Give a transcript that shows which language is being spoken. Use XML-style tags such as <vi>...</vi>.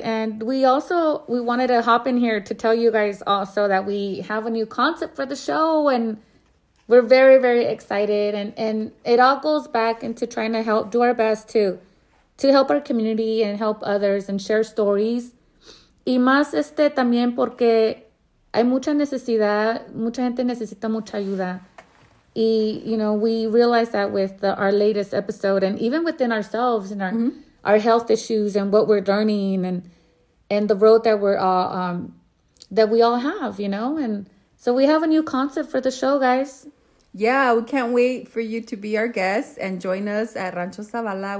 <en>And we wanted to hop in here to tell you guys also that we have a new concept for the show, and we're very, very excited, and it all goes back into trying to help, do our best to help our community and help others and share stories.</en> <es>Y más también porque hay mucha necesidad, mucha gente necesita mucha ayuda. Y,</es> <en>you know, we realized that with our latest episode, and even within ourselves and our health issues and what we're learning and the road that we're all, that we all have, you know? And so we have a new concept for the show, guys. Yeah, we can't wait for you to be our guest and join us at Rancho Zavala.</en>